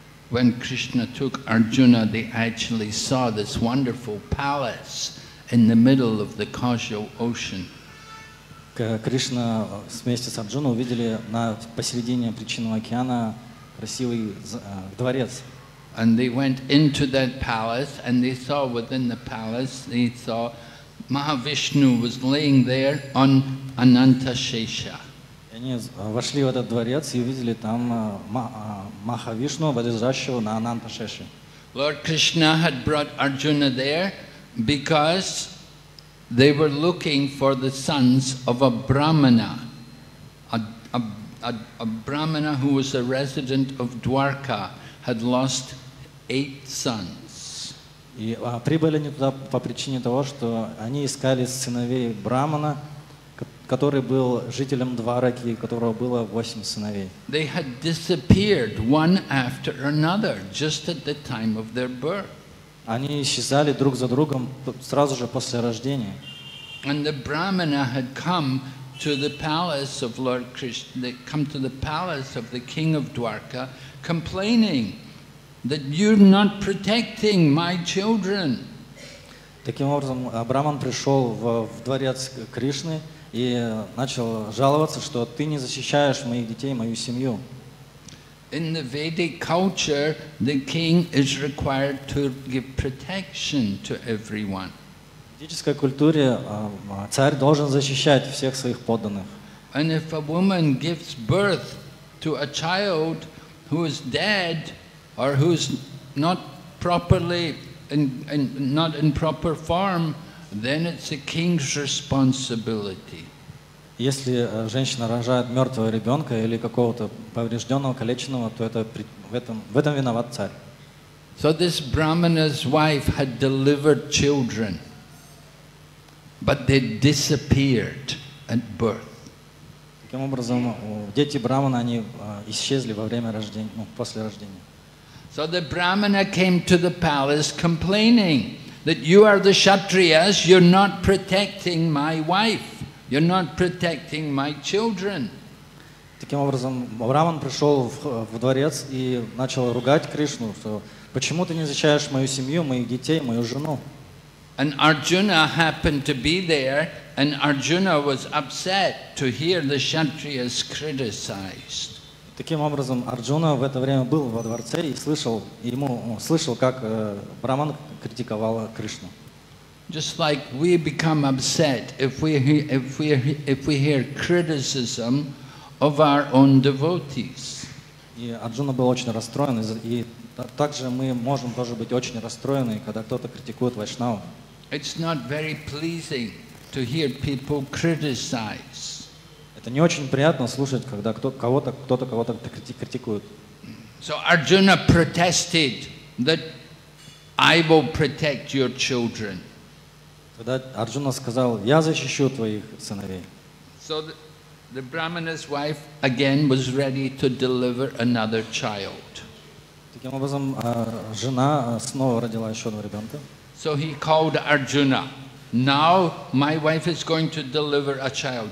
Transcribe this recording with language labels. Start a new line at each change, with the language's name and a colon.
English: When Krishna took Arjuna, they actually saw this wonderful palace in the middle of the causal ocean.
Russian: Кришна вместе с Арджуной увидели на посередине причинного океана красивый дворец.
English: And they went into that palace, and they saw within the palace, they saw Mahavishnu was laying there on Anantashesha.
Russian: Они вошли в этот дворец и увидели там Махавишну, возлежащего на Анантасеше.
English: Lord Krishna had brought Arjuna there because they were looking for the sons of a Brahmana, a Brahmana who was a resident of Dwarka, had lost 8 sons.
Russian: И прибыли они туда по причине того, что они искали сыновей Брахмана, который был жителем Двараки, у которого было 8 сыновей.
English: They had disappeared one after another just at the time of their birth.
Russian: Они исчезали друг за другом сразу же после рождения.
English: And the Brahmana had come to the palace of Lord Krishna, they come to the palace of the king of Dwarka complaining that you're not protecting my children.
Russian: Таким образом, Брахман пришел в дворец Кришны и начал жаловаться, что ты не защищаешь моих детей, мою семью.
English: In the Vedic culture, the king is required to give protection to everyone.
Russian: В ведической культуре царь должен защищать всех своих подданных.
English: And if a woman gives birth to a child who is dead, or who's not properly in not in proper form, then it's the king's responsibility.
Russian: Если женщина рожает мертвого ребенка или какого-то поврежденного, калеченного, то это в этом виноват царь.
English: So this Brahmana's wife had delivered children. But they disappeared at birth.
Russian: Таким образом, дети брахмана они исчезли во время рождения, ну, после рождения.
English: So the brahmana came to the palace complaining that you are the kshatriyas, you're not protecting my wife, you're not protecting my children.
Russian: Таким образом, Браман пришел в дворец и начал ругать Кришну, что почему ты не защищаешь мою семью, моих детей, мою жену?
English: And Arjuna happened to be there, and Arjuna was upset to hear the kshatriyas criticized.
Russian: Таким образом, Арджуна в это время был во дворце и слышал, ему слышал, как Браман критиковал Кришну.
English: Just like we become upset if we hear criticism of our own devotees.
Russian: И Арджуна был очень расстроен, и также мы можем тоже быть очень расстроены, когда кто-то критикует вайшнаву.
English: It's not very pleasing to hear people criticize.
Russian: Это не очень приятно слушать, когда кто-то критикует.
English: So Arjuna protested that I will protect your children.
Russian: Тогда Арджуна сказал: "Я защищу твоих сыновей".
English: So the brahmana's wife again was ready to deliver another child.
Russian: Таким образом, жена снова родила еще одного ребенка.
English: So he called Arjuna. Now my wife is going to deliver a child.